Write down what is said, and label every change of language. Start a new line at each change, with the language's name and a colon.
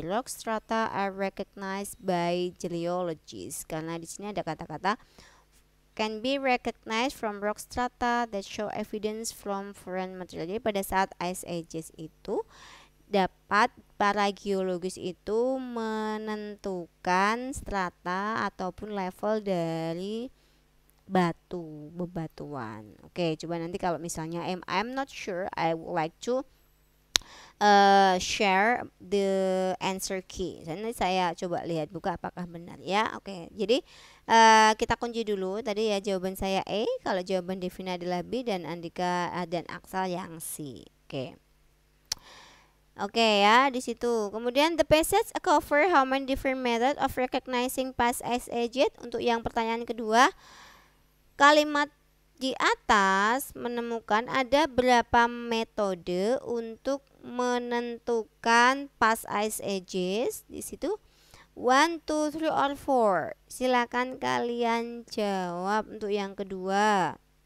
English: Rock strata are recognized by geologists,
Indonesian: karena di sini ada kata-kata
English: can be recognized from rock strata that show evidence from foreign material.
Indonesian: Jadi pada saat ice ages itu dapat para geologis itu menentukan strata ataupun level dari batu bebatuan. Oke, coba nanti kalau misalnya
English: I'm not sure, I would like to share the answer key.
Indonesian: Jadi saya coba lihat buka apakah benar, ya. Oke, jadi kita kunci dulu tadi ya, jawaban saya A, kalau jawaban Devina adalah B, dan Andika dan Aksal yang C. Oke. Oke, ya, di situ.
English: Kemudian the passage cover how many different methods of recognizing past ice ages.
Indonesian: Untuk yang pertanyaan kedua, kalimat di atas menemukan ada berapa metode untuk menentukan
English: past ice ages.
Indonesian: Di situ 1, 2, 3, or 4. Silakan kalian jawab untuk yang kedua.